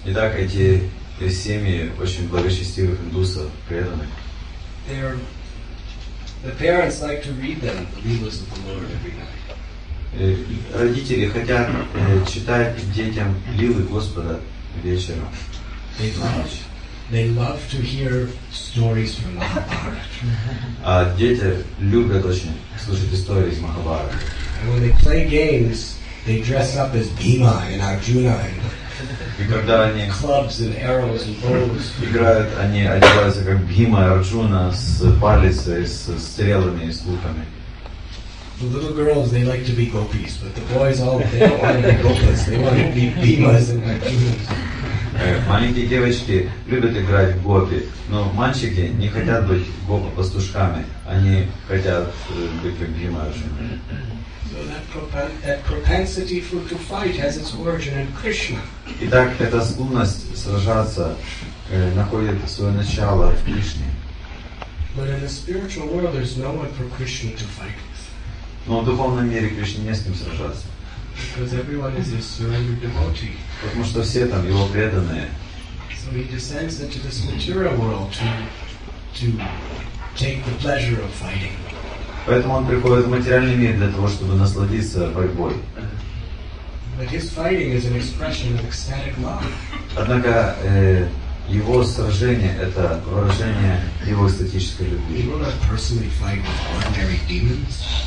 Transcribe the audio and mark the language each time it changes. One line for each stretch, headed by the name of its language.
Russian: Итак, эти семьи очень благочестивых индусов, преданных.
English: The parents like to read them the leelas of the Lord every night.
Russian: Родители хотят читать детям лилы Господа вечером.
English: They love to hear stories from Mahabharata.
Russian: А дети любят очень слушать истории из Махабхараты.
English: And when they play games, they dress up as Bhima and Arjuna.
Russian: И когда они
English: clubs and arrows and bows
Russian: играют, они одеваются как Бхима и Арджуна с палицей, с стрелами и с луками.
English: The little girls, they like to be gopis, but the boys all, they don't want to be gopis, they want to be Bhimas and Arjunas.
Russian: Маленькие девочки любят играть в гопи, но мальчики не хотят быть гопа-пастушками, они хотят быть как Бхима и Арджуна.
English: That propensity for to fight has its origin in Krishna.
Russian: Итак, эта склонность сражаться находит свое начало в Кришне.
English: But in the spiritual world, there's no one for Krishna to fight with.
Russian: Но в духовном мире Кришне не с кем сражаться.
English: Because everyone is his surrendered devotee.
Russian: Потому что все там его преданные.
English: So he descends into this material world to take the pleasure of fighting.
Russian: Поэтому он приходит в материальный мир для того, чтобы насладиться борьбой.
English: But his fighting is an expression of ecstatic love.
Russian: Однако его сражение — это выражение его эстетической любви.
English: He will not personally fight with ordinary demons.